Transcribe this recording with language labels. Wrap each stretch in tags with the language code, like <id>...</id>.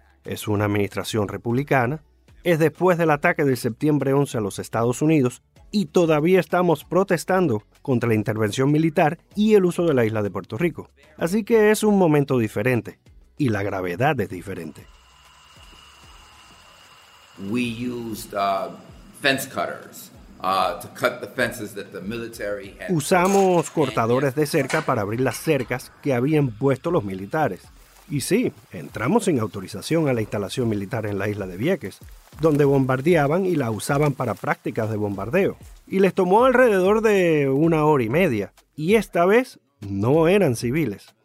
<es>Es una administración republicana, es después del ataque del septiembre 11 a los Estados Unidos y todavía estamos protestando contra la intervención militar y el uso de la isla de Puerto Rico. Así que es un momento diferente y la gravedad es diferente.</es> <en>We used fence cutters to cut the fences that the military had.</en> <es>Usamos cortadores de cerca para abrir las cercas que habían puesto los militares. Y sí, entramos sin autorización a la instalación militar en la isla de Vieques, donde bombardeaban y la usaban para prácticas de bombardeo. Y les tomó alrededor de 1 hora y media. Y esta vez no eran civiles.</es>